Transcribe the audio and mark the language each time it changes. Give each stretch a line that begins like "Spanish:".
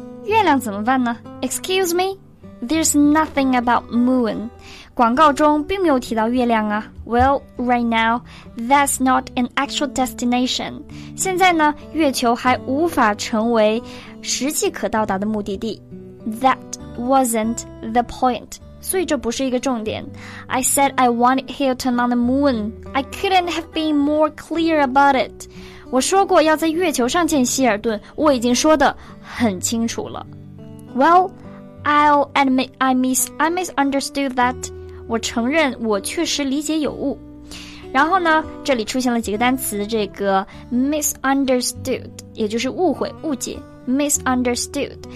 Chinese: 月亮怎么办呢
English: ？Excuse me, there's nothing about moon.
Chinese: 广告中并没有提到月亮啊。
English: Well, right now, that's not an actual destination.
Chinese: 现在呢，月球还无法成为实际可到达的目的地。
English: That wasn't the point.
Chinese: 所以这不是一个重点。
English: I said I wanted Hilton on the moon. I couldn't have been more clear about it.
Chinese: 我说过要在月球上见希尔顿，我已经说得很清楚了。
English: Well, I'll admit I misunderstood that.
Chinese: 我承认我确实理解有误。然后呢，这里出现了几个单词，这个 misunderstood, 也就是误会、误解 ,misunderstood。